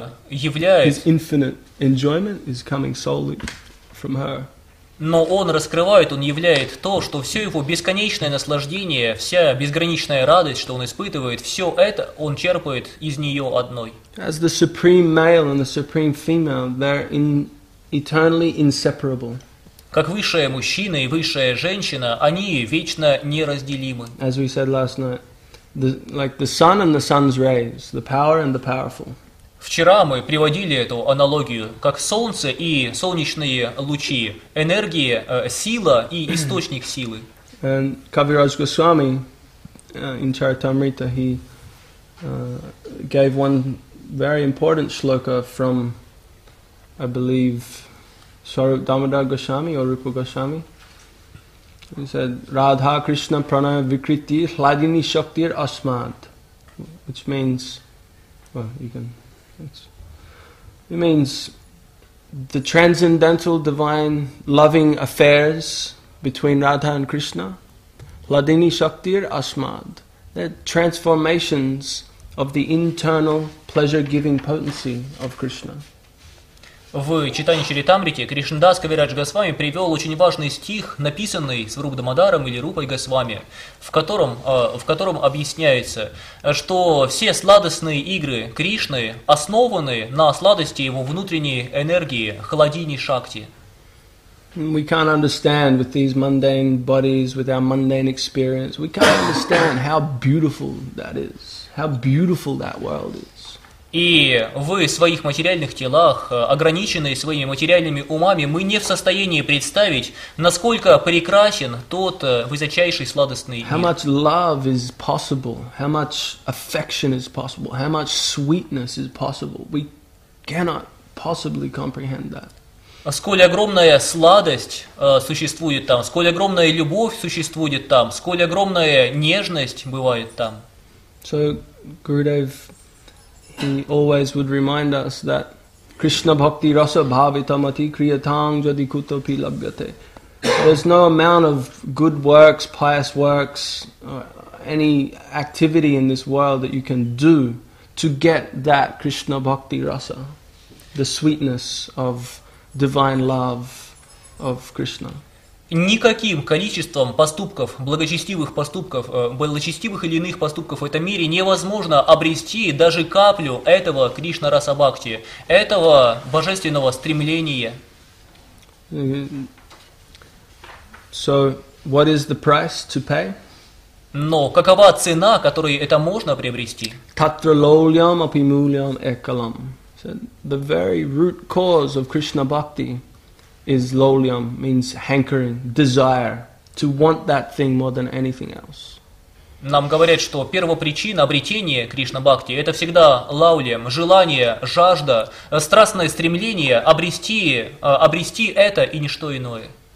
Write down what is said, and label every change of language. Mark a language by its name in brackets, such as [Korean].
[English] his infinite enjoyment is coming solely from her. [Russian] Но он раскрывает, он являет то, что все его бесконечное наслаждение, вся безграничная радость, что он испытывает, все это он черпает из нее одной. [English] As the supreme male and the supreme female, they're in eternally inseparable. [Russian] Как высшая мужчина и высшая женщина, они вечно неразделимы. [English] As we said last night, the sun and the sun's rays, the power and the powerful. [Russian] Вчера мы приводили эту аналогию, как солнце и солнечные лучи, энергия, сила и источник силы. [English] And Kaviraj Goswami, in Charitamrita, he gave one very important shloka from, I believe, Swarup Damodar Goswami or Rupa Goswami. He said, [Sanskrit] Radha Krishna Pranaya Vikriti Hladini Shaktir Asmad, [English] which means, it means the transcendental divine loving affairs between Radha and Krishna, Ladini Shaktir Asmad, the transformations of the internal pleasure-giving potency of Krishna. [Russian] В читании Чаритамриты Кришнадас Кавирадж Госвами привел очень важный стих, написанный Сварупа Дамодаром или Рупой Госвами, в котором объясняется, что все сладостные игры Кришны основаны на сладости его внутренней энергии, Халадини Шакти. [English] We can't understand with these mundane bodies, with our mundane experience, we can't understand how beautiful that is, how beautiful that world is. [Russian] И в своих материальных телах, ограниченные своими материальными умами, мы не в состоянии представить, насколько прекрасен тот высочайший сладостный мир. [English] How much love is possible? How much affection is possible? How much sweetness is possible? We cannot possibly comprehend that. [Russian] Сколь огромная сладость существует там, сколь огромная любовь существует там, сколь огромная нежность бывает там. [English] So, Gurudev, he always would remind us that [Sanskrit] Krishna bhakti rasa bhavita mati kriyatang jadikuto pi labhyate. [English] There's no amount of good works, pious works, or any activity in this world that you can do to get that Krishna bhakti rasa, the sweetness of divine love of Krishna. [Russian] Никаким количеством поступков, благочестивых поступков, благочестивых или иных поступков в этом мире невозможно обрести даже каплю этого Кришна-раса-бхакти, этого божественного стремления. [English] So, what is the price to pay? [Russian] Но какова цена, которой это можно приобрести? [Sanskrit] Tatra lolyam apimulyam ekalam. [English] So, the very root cause of Krishna-bhakti is lolyam, means hankering, desire, to want that thing more than anything else. [Russian] Нам говорят, что первопричина обретения Кришна-бхакти – это всегда лаулиям, желание, жажда, страстное стремление обрести это и ничто иное.